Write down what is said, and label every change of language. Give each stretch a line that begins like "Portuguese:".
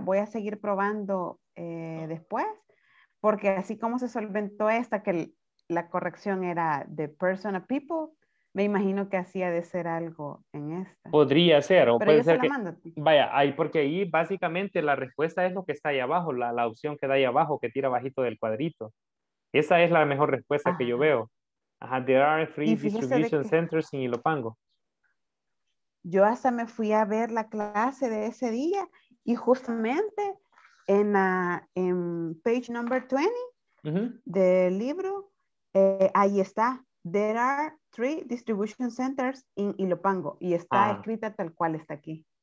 Spanish: Voy a seguir probando después, porque así como se solventó esta, que la corrección era
English: the person of people,
Spanish: Me imagino que así ha de ser algo en esta. Podría ser, o pero puede ser se que... Vaya, ahí porque ahí básicamente la respuesta es lo que está ahí abajo, la opción que da ahí abajo, que tira bajito del cuadrito. Esa es la mejor respuesta que yo veo.
English: Ajá, there are free distribution centers in Ilopango.
Spanish: Yo hasta me fui a ver la clase de ese día y justamente en
English: page number 20
Spanish: del libro, ahí está.
English: There are three distribution centers in Ilopango
Spanish: y está escrita tal cual está aquí.